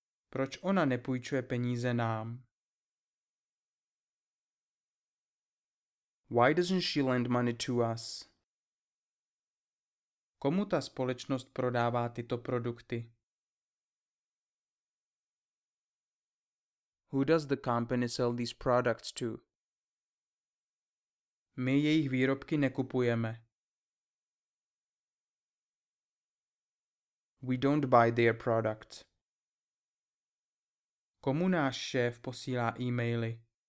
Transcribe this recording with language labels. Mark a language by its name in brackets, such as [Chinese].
[Czech] Proč ona nepůjčuje peníze nám? [English] Why doesn't she lend money to us? [Czech] Komu ta společnost prodává tyto produkty? [English] Who does the company sell these products to? [Czech] My jejich výrobky nekupujeme. [English] We don't buy their products. [Czech] Komu náš šéf posílá e-maily?